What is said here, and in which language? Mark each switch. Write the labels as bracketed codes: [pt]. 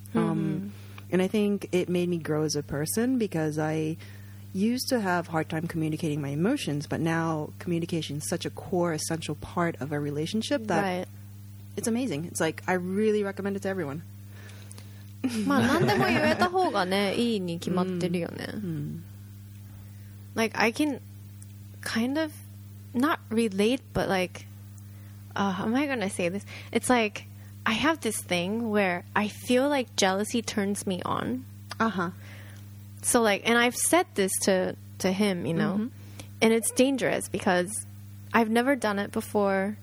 [en] And I think it made me grow as a person because I used to have hard time communicating my emotions, but now communication is such a core essential part of a relationship that it's amazing. It's like I really recommend it to everyone. [ja] まあ何でも言えた方がね、いいに決まってるよね。 [en] Like, I can kind of not relate, but like, how am I going to say this? It's like, I have this thing where I feel like jealousy turns me on. Uh-huh. So like, and I've said this to him, you know, mm-hmm. and it's dangerous because I've never done it before.